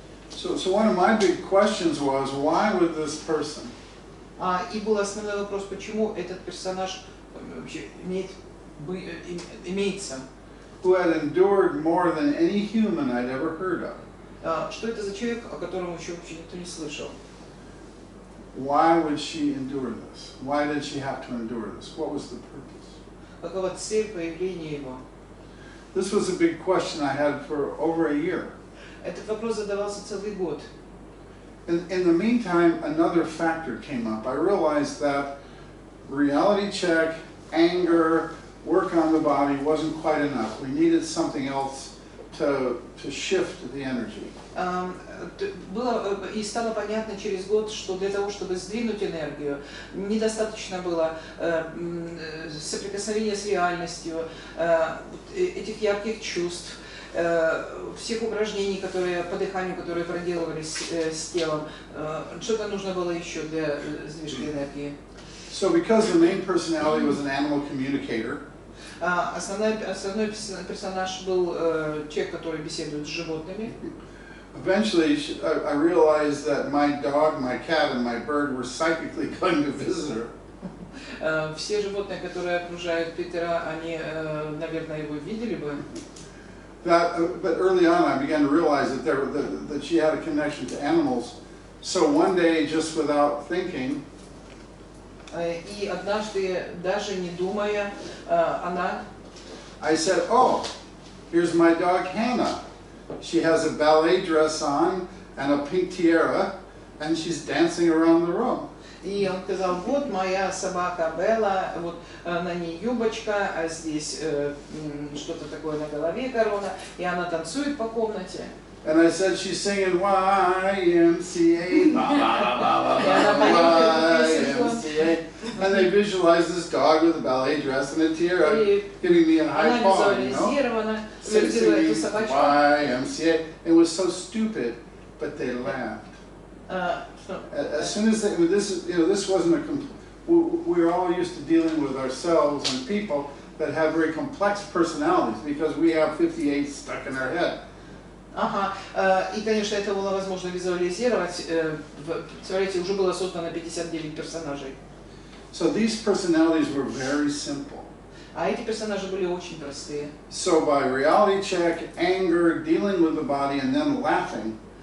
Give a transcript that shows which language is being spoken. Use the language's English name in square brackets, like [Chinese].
[English] So one of my big questions was, why would this person? [Russian] И был основной вопрос, почему этот персонаж вообще имеется? [English] Who had endured more than any human I'd ever heard of? [Russian] Что это за человек, о котором еще вообще никто не слышал? [English] Why would she endure this? Why did she have to endure this? What was the purpose? [Russian] Какова цель появления его? [English] This was a big question I had for over a year. [Russian] Этот вопрос задавался целый год. [English] In the meantime, another factor came up. I realized that reality check, anger, work on the body wasn't quite enough. We needed something else to shift the energy. [Russian] Было и стало понятно через год, что для того, чтобы сдвинуть энергию, недостаточно было соприкосновения с реальностью, этих ярких чувств, всех упражнений, которые по дыханию, которые проделывались с телом. Что-то нужно было еще для сдвижки энергии. [English] So because the main personality was an animal communicator. [Russian] Основной персонаж был человек, который беседует с животными. [English] Eventually, I realized that my dog, my cat, and my bird were psychically going to visit her. [Russian] Все животные, которые окружают Питера, они, наверное, его видели бы. [English] But early on, I began to realize that that she had a connection to animals. So one day, just without thinking. [Russian] И однажды, даже не думая, она. [English] I said, "Oh, here's my dog Hannah. She has a ballet dress on and a pink tiara, and she's dancing around the room." [Russian] И он сказал: "Вот моя собака Белла, вот на ней юбочка, а здесь что-то такое на голове корона, и она танцует по комнате." [English] And I said, "She's singing YMCA, YMCA." And they visualized this dog with a ballet dress and a tiara giving me a high paw, you know? YMCA. It was so stupid, but they laughed. As soon as they, this wasn't a we're all used to dealing with ourselves and people that have very complex personalities because we have 58 stuck in our head. [Russian] Ага, и, конечно, это было возможно визуализировать. Смотрите, уже было создано 59 персонажей. [English] So these personalities were very simple. [Russian] А эти персонажи были очень простые. [English] So by reality check, anger, dealing with the body, and then laughing.